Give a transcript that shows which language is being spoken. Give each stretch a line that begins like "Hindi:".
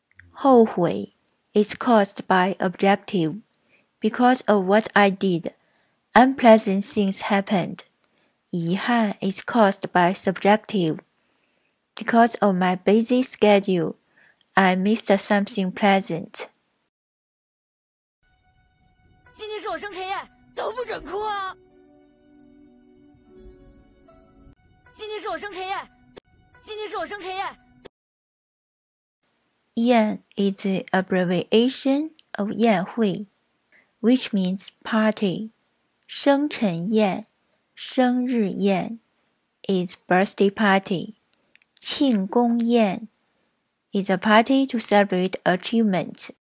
English: 后悔 is caused by objective. Because of what I did, unpleasant things happened. 遗憾 is caused by subjective. Because of my busy schedule, I missed something pleasant.
Chinese: 今天是我生辰宴，都不准哭啊！今天是我生辰宴，今天是我生辰宴。
English: 宴 is the abbreviation of 宴会 which means party. 生辰宴，生日宴 is birthday party. 庆功宴 is a party to celebrate achievement.